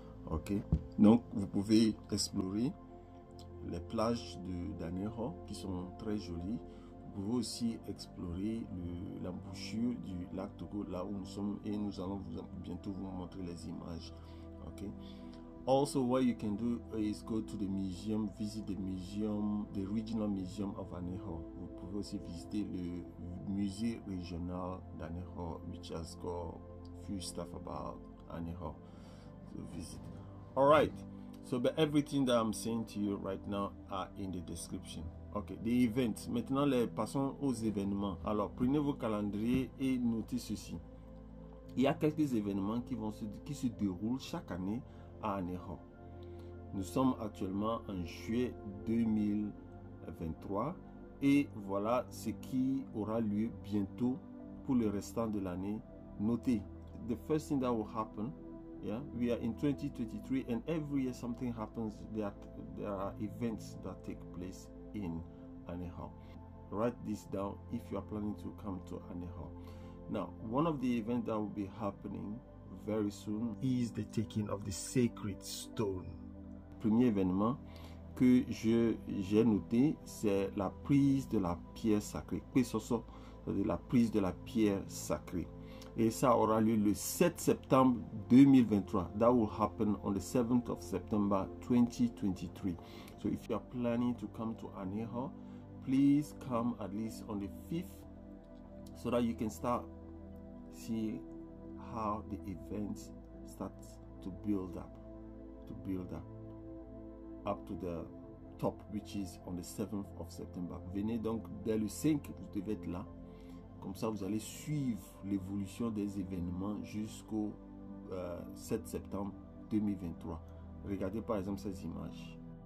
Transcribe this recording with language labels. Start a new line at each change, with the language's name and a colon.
French: Okay, donc vous pouvez explorer les plages d'Aneho qui sont très jolies. Vous pouvez aussi explorer l'embouchure du lac Togo là où nous sommes, et nous allons bientôt vous montrer les images. Okay?
English: Also, what you can do is go to the museum, visit the museum, the regional museum of Aneho.
French: Vous pouvez aussi visiter le musée régional d'Aneho,
English: which has got few stuff about Aneho to visit. All right. So, but everything that I'm saying to you right now are in the description. Okay, the events.
French: Maintenant, les passons aux événements. Alors, prenez vos calendriers et notez ceci. Il y a quelques événements qui se déroulent chaque année à Aneho. Nous sommes actuellement en juillet 2023 et voilà ce qui aura lieu bientôt pour le restant de l'année. Notez,
English: the first thing that will happen, yeah, we are in 2023 and every year something happens, that there are events that take place in Aneho. Write this down if you are planning to come to Aneho. Now, one of the events that will be happening very soon is the taking of the sacred stone.
French: Premier événement que j'ai noté, c'est la prise de la pierre sacrée. Pesoso, c'est-à-dire la prise de la pierre sacrée. Et ça aura lieu le 7 septembre 2023.
English: That will happen on the 7th of September 2023. So if you are planning to come to Aneho, please come at least on the 5th so that you can start see how the event starts to build up up to the top, which is on the 7th of September.
French: Venez donc dès le 5, vous devez être là. Comme ça, vous allez suivre l'évolution des événements jusqu'au 7 septembre 2023. Regardez par exemple ces images.